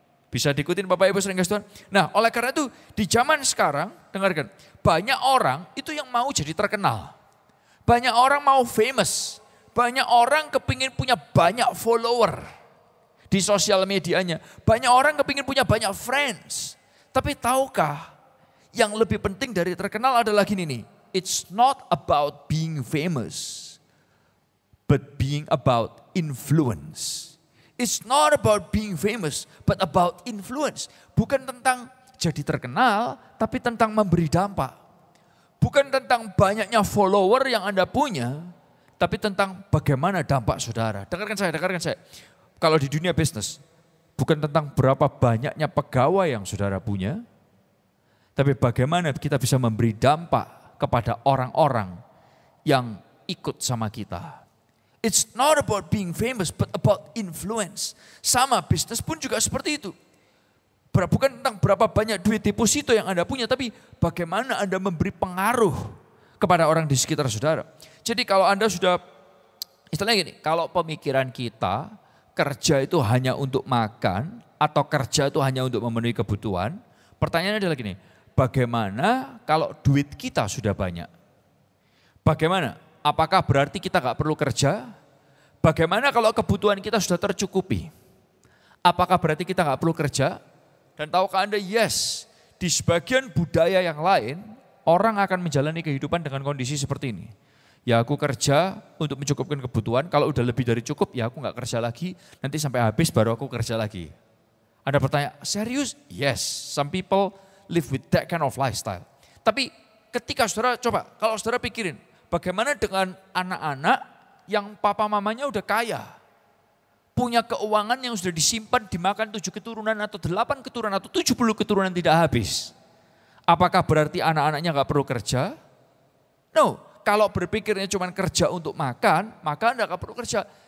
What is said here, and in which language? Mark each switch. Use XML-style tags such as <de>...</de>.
<id>Bisa diikutin Bapak Ibu Saudara Tuhan. Nah oleh karena itu di zaman sekarang dengarkan banyak orang itu yang mau jadi terkenal. Banyak orang mau famous. Banyak orang kepingin punya banyak follower di sosial medianya. Banyak orang kepingin punya banyak friends. Tapi tahukah yang lebih penting dari terkenal adalah gini nih.</id> <en>It's not about being famous, but being about influence. It's not about being famous, but about influence.</en> <id>Bukan tentang jadi terkenal, tapi tentang memberi dampak. Bukan tentang banyaknya follower yang Anda punya, tapi tentang bagaimana dampak saudara. Dengarkan saya. Kalau di dunia bisnis, bukan tentang berapa banyaknya pegawai yang saudara punya, tapi bagaimana kita bisa memberi dampak kepada orang-orang yang ikut sama kita.</id> <en>It's not about being famous, but about influence.</en> <id>Sama bisnis pun juga seperti itu. Bukan tentang berapa banyak duit deposito yang Anda punya, tapi bagaimana Anda memberi pengaruh kepada orang di sekitar saudara. Jadi kalau Anda sudah, istilahnya gini, kalau pemikiran kita kerja itu hanya untuk makan atau kerja itu hanya untuk memenuhi kebutuhan, pertanyaannya adalah gini, bagaimana kalau duit kita sudah banyak? Bagaimana? Apakah berarti kita gak perlu kerja? Bagaimana kalau kebutuhan kita sudah tercukupi? Apakah berarti kita gak perlu kerja? Dan tahukah Anda, yes, di sebagian budaya yang lain, orang akan menjalani kehidupan dengan kondisi seperti ini. Ya aku kerja untuk mencukupkan kebutuhan, kalau udah lebih dari cukup ya aku gak kerja lagi, nanti sampai habis baru aku kerja lagi. Anda bertanya, serius?</id> <en>Yes, some people live with that kind of lifestyle.</en> <id>Tapi ketika saudara, coba kalau saudara pikirin, bagaimana dengan anak-anak yang papa mamanya udah kaya, punya keuangan yang sudah disimpan, dimakan 7 keturunan atau 8 keturunan atau 70 keturunan tidak habis. Apakah berarti anak-anaknya gak perlu kerja? No. Kalau berpikirnya cuma kerja untuk makan, maka Anda gak perlu kerja.</id>